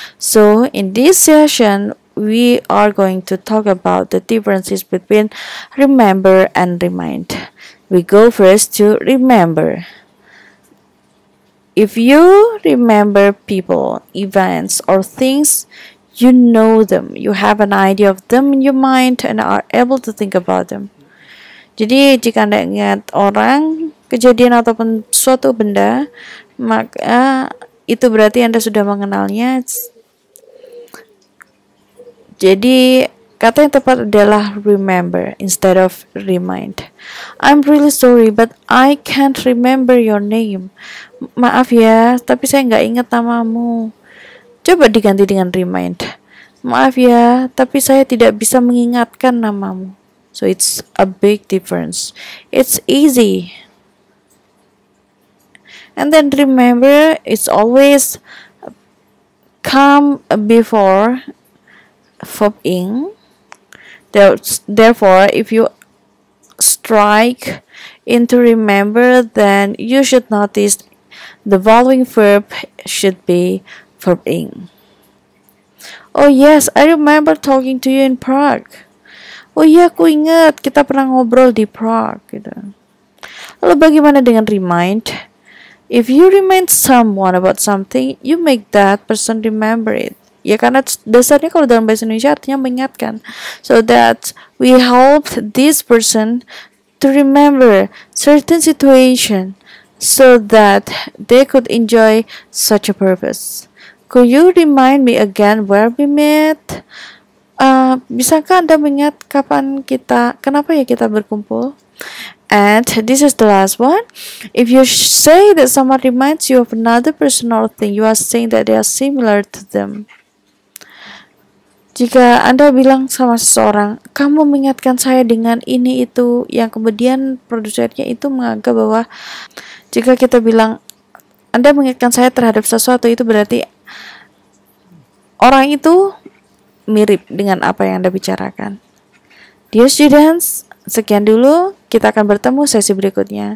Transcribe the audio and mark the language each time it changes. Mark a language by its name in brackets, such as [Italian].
[English] So in this session, we are going to talk about the differences between remember and remind. We go first to remember. If you remember people, events, or things, you know them. You have an idea of them in your mind and are able to think about them. [Indonesian] Jadi, jika Anda ingat orang, kejadian, ataupun suatu benda, maka itu berarti Anda sudah mengenalnya. Jadi, kata yang tepat adalah remember instead of remind. [English] I'm really sorry, but I can't remember your name. [Indonesian] Maaf ya, tapi saya nggak ingat namamu. Coba diganti dengan remind. Maaf ya, tapi saya tidak bisa mengingatkan namamu. [English] So it's a big difference. It's easy. And then remember, it's always come before verb ing. Therefore, if you strike into remember, then you should notice the following verb should be verb ing. Oh yes, I remember talking to you in Prague. [Indonesian] Oh iya, aku ingat kita pernah ngobrol di Prague gitu. Lalu bagaimana dengan [English] remind? If you remind someone about something, you make that person remember it. [Indonesian] Ya, karena dasarnya kalau dalam bahasa Indonesia artinya mengingatkan. [English] So that we help this person to remember certain situation so that they could enjoy such a purpose. Could you remind me again where we met? [Indonesian] Bisakah Anda mengingat kapan kita, kenapa ya kita berkumpul? [English] And this is the last one. If you say that someone reminds you of another person or thing, you are saying that they are similar to them. [Indonesian] Jika Anda bilang sama seseorang, kamu mengingatkan saya dengan ini itu, yang kemudian produsernya itu menganggap bahwa jika kita bilang Anda mengingatkan saya terhadap sesuatu, itu berarti orang itu mirip dengan apa yang Anda bicarakan. Dear students, sekian dulu. Kita akan bertemu sesi berikutnya.